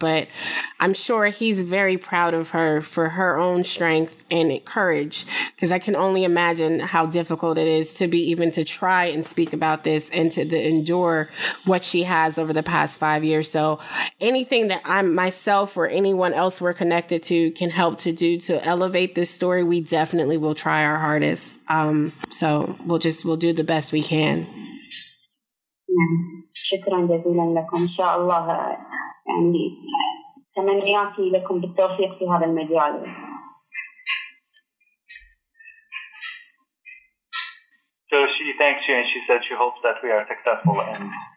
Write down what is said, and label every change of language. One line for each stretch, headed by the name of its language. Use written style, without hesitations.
English: But I'm sure he's very proud of her for her own strength and courage, because I can only imagine how difficult it is to be even to try and speak about this and to endure what she has over the past 5 years. So anything that I myself or anyone else we're connected to can help to do to elevate this story, we definitely will try our hardest. So we'll do the best we can.
Arabic: شكرا جزيلا لكم إن شاء الله يعني تمنياتي لكم بالتوفيق في هذا المجال.
English: So she thanks you and she said she hopes that we are successful in